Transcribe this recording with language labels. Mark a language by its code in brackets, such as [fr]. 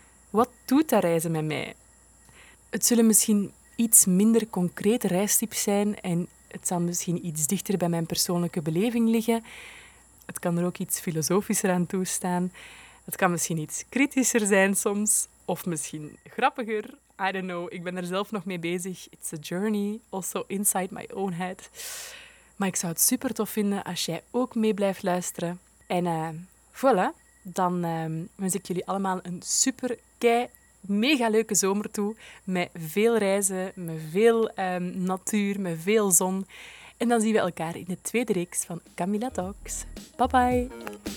[nl] Wat doet dat reizen met mij? Het zullen misschien iets minder concrete reistips zijn en het zal misschien iets dichter bij mijn persoonlijke beleving liggen. Het kan er ook iets filosofischer aan toestaan. Het kan misschien iets kritischer zijn soms of misschien grappiger. [en] I don't know, [nl] ik ben er zelf nog mee bezig. [en] It's a journey, also inside my own head. [nl] Maar ik zou het super tof vinden als jij ook mee blijft luisteren. En voilà, dan wens ik jullie allemaal een super kei mega leuke zomer toe. Met veel reizen, met veel natuur, met veel zon. En dan zien we elkaar in de tweede reeks van Camilla Talks. Bye bye!